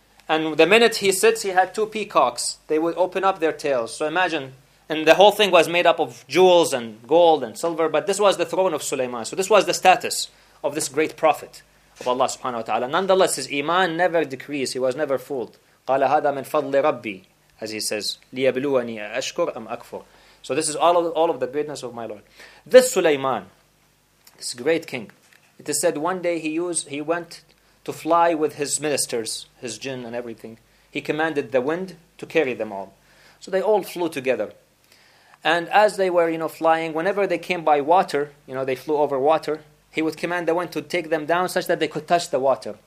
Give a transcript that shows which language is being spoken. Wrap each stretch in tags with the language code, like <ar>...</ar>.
<en>And the minute he sits, he had two peacocks. They would open up their tails. So imagine, and the whole thing was made up of jewels and gold and silver, but this was the throne of Sulaiman. So this was the status of this great prophet of Allah subhanahu wa ta'ala. Nonetheless, his iman never decreased. He was never fooled.</en> <ar>قَالَ هَذَا مِنْ فَضْلِ رَبِّي</ar> <en>as he says,</en> <ar>لِيَبْلُوَنِي أَشْكُرْ أَمْ أَكْفُرْ.</ar> <en>So this is all of the greatness of my Lord. This Sulaiman, this great king, it is said one day he went to fly with his ministers, his jinn and everything. He commanded the wind to carry them all. So they all flew together. And as they were, you know, flying, whenever they came by water, you know, they flew over water, he would command the wind to take them down such that they could touch the water.</en>